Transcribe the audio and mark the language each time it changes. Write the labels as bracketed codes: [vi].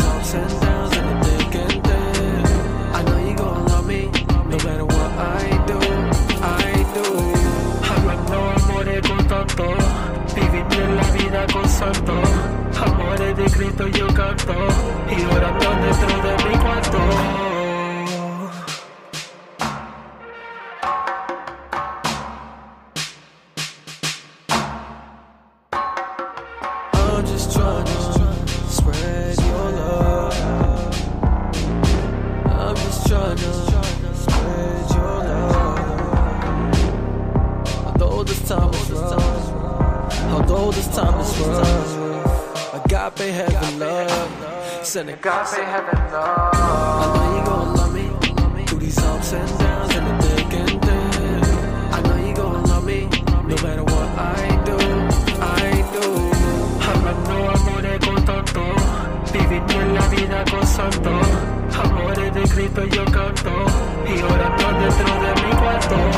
[en] And downs in the thick and thin. I know you gon' love me, no matter what I do, I do. [es] Hablando amores con tanto, viviendo la vida con santo. Amores de Cristo yo canto, y orando dentro de mi cuarto. [en] Heaven, I know you gon' love me, through these ups and downs in the thick and thin. I know you gon' love me, no matter what I do, I do. [es] Hablando amores con tanto, viviendo la vida con santo. Amores de Cristo yo canto, y orando dentro de mi cuarto.